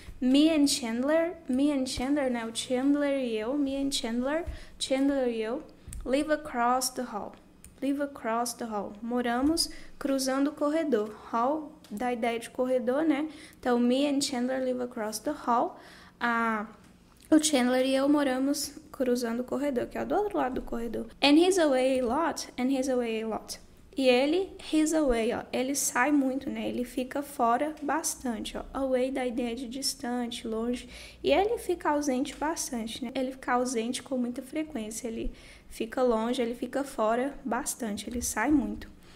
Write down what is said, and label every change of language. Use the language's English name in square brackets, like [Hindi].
[English] Me and Chandler, [Portuguese] né? O Chandler e eu, [English] me and Chandler, Chandler e eu, live across the hall. Live across the hall. [Portuguese] Moramos cruzando o corredor. Hall dá ideia de corredor, né? Então, [English] me and Chandler live across the hall. [Portuguese] Ah, o Chandler e eu moramos cruzando o corredor, que é do outro lado do corredor. [English] And he's away a lot, and he's away a lot. [Portuguese] E ele, [English] he's away, [Portuguese] ó, ele sai muito, né? Ele fica fora bastante, ó. Away dá ideia de distante, longe. E ele fica ausente bastante, né? Ele fica ausente com muita frequência. Ele fica longe, ele fica fora bastante. Ele sai muito.